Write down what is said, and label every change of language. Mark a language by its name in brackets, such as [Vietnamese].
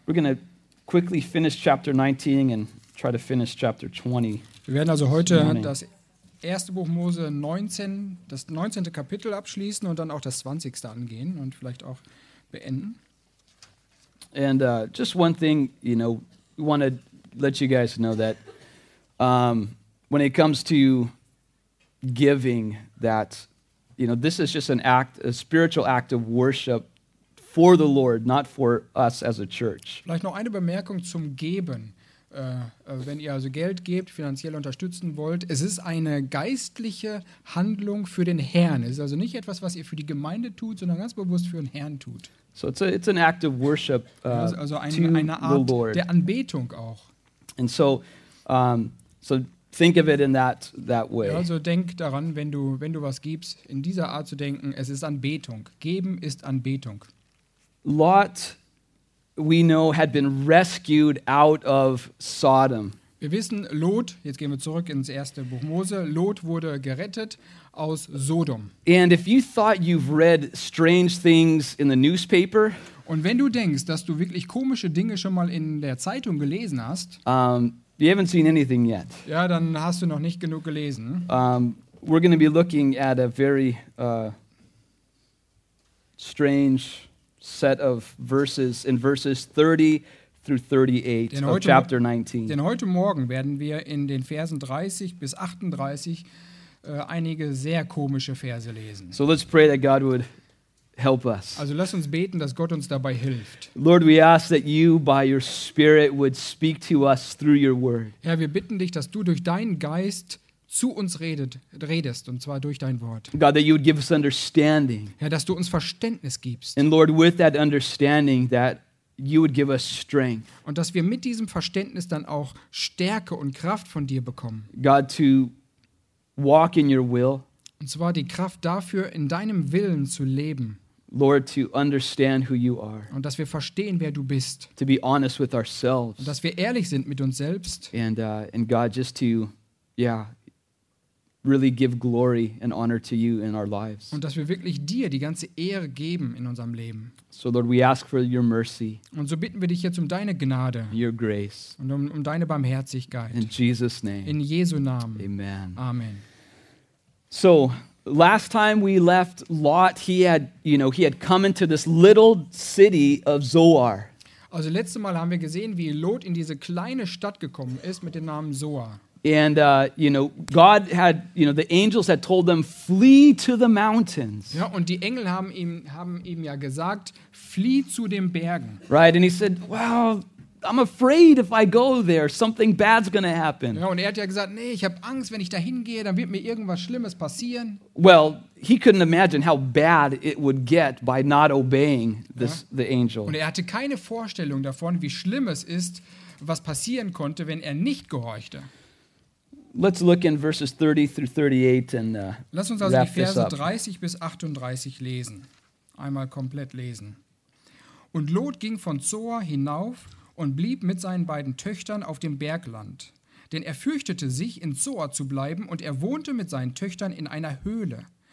[English] We're going to quickly finish chapter 19 and try to finish chapter 20. [German] Wir werden also heute das erste Buch Mose 19, das 19. Kapitel abschließen und dann auch das 20. angehen und vielleicht auch beenden. [English] And just one thing, you know, we want to let you guys know that when it comes to giving, that, you know, this is just an act, a spiritual act of worship for the Lord, not for us as a church. [German] Vielleicht noch eine Bemerkung zum Geben. Wenn ihr also Geld gebt, finanziell unterstützen wollt, es ist eine geistliche Handlung für den Herrn. Es ist also nicht etwas, was ihr für die Gemeinde tut, sondern ganz bewusst für den Herrn tut. [English] So it's an act of worship [German] also eine Art der Anbetung auch. [English] And so so think of it in that way. [German] Ja, also denk daran, wenn du was gibst, in dieser Art zu denken, es ist Anbetung. Geben ist Anbetung. [English] Lot, we know, had been rescued out of Sodom. [German] Wir wissen, Lot, jetzt gehen wir zurück ins erste Buch Mose, Lot wurde gerettet aus Sodom. [English] And if you thought you've read strange things in the newspaper, [German] und wenn du denkst, dass du wirklich komische Dinge schon mal in der Zeitung gelesen hast, [English] you haven't seen anything yet. [German] Ja, dann hast du noch nicht genug gelesen. [English] We're going to be looking at a very strange set of verses in verses 30 through 38 of chapter 19. [German] Denn heute Morgen werden wir in den Versen 30 bis 38 einige sehr komische Verse lesen. [English] So let's pray that God would help us. [German] Also lass uns beten, dass Gott uns dabei hilft. [English] Lord, we ask that you by your Spirit would speak to us through your word. [German] Herr, wir bitten dich, dass du durch deinen Geist zu uns redest, und zwar durch dein Wort. [English] God, that you would give us understanding. [German] Herr, dass du uns Verständnis gibst. [English] And Lord, with that understanding, that you would give us strength. [German] Und dass wir mit diesem Verständnis dann auch Stärke und Kraft von dir bekommen. [English] God, to walk in your will. [German] Und zwar die Kraft dafür, in deinem Willen zu leben. [English] Lord, to understand who you are. [German] Und dass wir verstehen, wer du bist. [English] To be honest with ourselves. [German] Und dass wir ehrlich sind mit uns selbst. [English] And God, just to, yeah, really give glory and honor to you in our lives. [German] Und dass wir wirklich dir die ganze Ehre geben in unserem Leben. [English] So Lord, we ask for your mercy. [German] Und so bitten wir dich jetzt um deine Gnade. [English] Your grace. [German] Und um deine Barmherzigkeit. [English] In Jesus name. [German] In Jesu Namen. [English] Amen. [German] Amen. [English] So last time we left Lot, he had come into this little city of Zoar. [German] Also letztes Mal haben wir gesehen, wie Lot in diese kleine Stadt gekommen ist mit dem Namen Zoar. [English] And God had, you know, the angels had told them, flee to the mountains. [German] Ja, und die Engel haben ihm ja gesagt, flieh zu den Bergen. [English] Right, and he said, well, I'm afraid if I go there, something bad's gonna happen. [German] Ja, und er hat ja gesagt, nee, ich habe Angst, wenn ich da hingehe, dann wird mir irgendwas Schlimmes passieren. [English] Well, he couldn't imagine how bad it would get by not obeying the angel. [German] Und er hatte keine Vorstellung davon, wie schlimm es ist, was passieren konnte, wenn er nicht gehorchte. [English] Let's look in verses 30 through 38 and [German] lass uns also die Verse 30 bis 38 lesen. Einmal komplett lesen. Und Lot ging von Zoar hinauf und blieb mit seinen beiden Töchtern auf dem Bergland. Denn er fürchtete sich, in Zoar zu bleiben, und er wohnte mit seinen Töchtern in einer Höhle.